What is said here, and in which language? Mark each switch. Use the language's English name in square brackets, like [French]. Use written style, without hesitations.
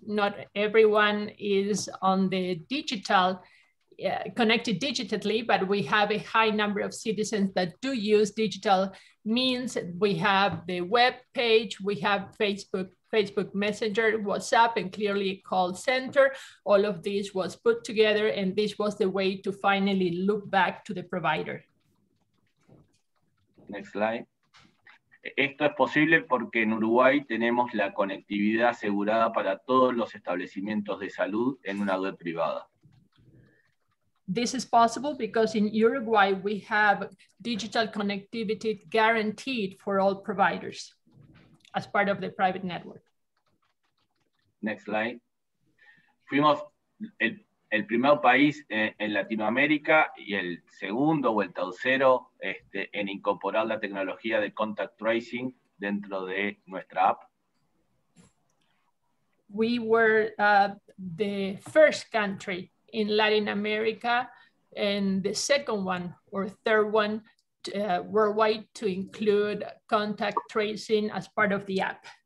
[English] Not everyone is on the digital, connected digitally, but we have a high number of citizens that do use digital means. We have the web page, we have Facebook Messenger, WhatsApp, and clearly a call center. All of this was put together, and this was the way to finally loop back to the provider. Next slide. [Spanish] Esto es posible porque en Uruguay tenemos la conectividad asegurada para todos los establecimientos de salud en una red privada. [English] This is possible because in Uruguay we have digital connectivity guaranteed for all providers as part of the private network. Next slide. [Spanish] Fuimos el primer país en Latinoamérica y el segundo o el tercero en incorporar la tecnología de contact tracing dentro de nuestra app. [English] We were the first country in Latin America and the second one or third one worldwide to include contact tracing as part of the app.